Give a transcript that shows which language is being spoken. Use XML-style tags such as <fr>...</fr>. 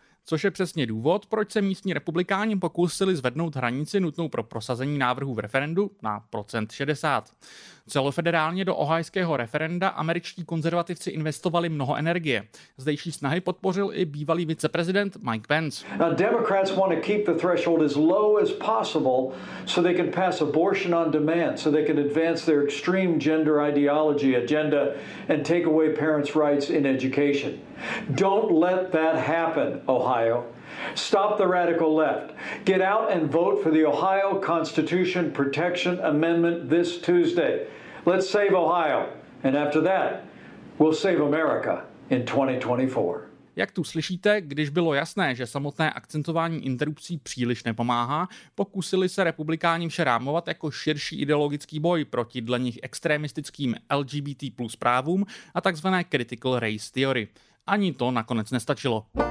<cs>Což je přesně důvod, proč se místní republikáni pokusili zvednout hranici nutnou pro prosazení návrhu v referendu na procent 60. Celofederálně do ohajského referenda američtí konzervativci investovali mnoho energie. Zdejší snahy podpořil i bývalý viceprezident Mike Pence.</cs> <en>Democrats want to keep the threshold as low as possible so they can pass abortion on demand, so they can advance their extreme gender ideology agenda and take away parents' rights in education. Don't let that happen, Ohio. Stop the radical left. Get out and vote for the Ohio Constitution Protection Amendment this Tuesday. Let's save Ohio. And after that, we'll save America in 2024.</en> <cs>Jak tu slyšíte, když bylo jasné, že samotné akcentování interrupcí příliš nepomáhá, pokusili se republikáni vše rámovat jako širší ideologický boj proti dle nich extremistickým LGBT plus právům a takzvané critical race theory. Ani to nakonec nestačilo.</cs>